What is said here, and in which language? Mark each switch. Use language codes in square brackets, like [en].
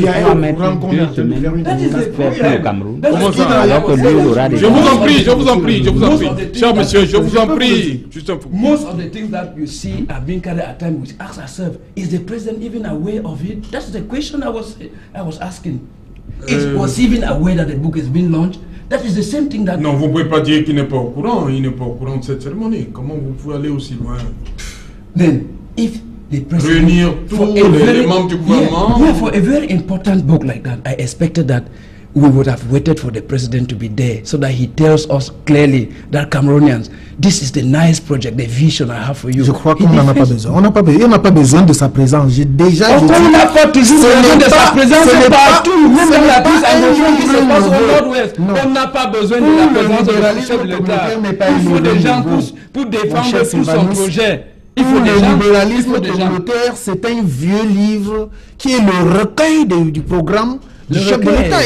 [en] Most of the things that you see are being carried at times, which ask ourselves, is the president even aware of it? That's the question I was asking. Is was even aware that the book has been launched? That is the same thing that. [fr] Non, vous ne pouvez pas dire qu'il n'est pas au courant. Il n'est pas au courant de cette cérémonie. Comment vous pouvez aller aussi loin? [en] Then, if. [fr] Réunir tous les membres du gouvernement. [en] Yeah, for a very important book like that, I expected that we would have waited for the president to be there so that he tells us clearly that Cameroonians, this is the nice project, the vision I have for you. [fr] Je crois qu'on n'a pas besoin. On n'a pas besoin de sa présence. J'ai déjà. Oh, dit, on n'a pas toujours besoin de sa présence. C'est partout. Même la crise, elle est toujours qui se passe au Nord-Ouest. On n'a pas besoin de la présence de la chef de l'État. Il faut des gens pour défendre tout son projet. Il faut le libéralisme communautaire, c'est un vieux livre qui est le recueil du programme du chef de l'État.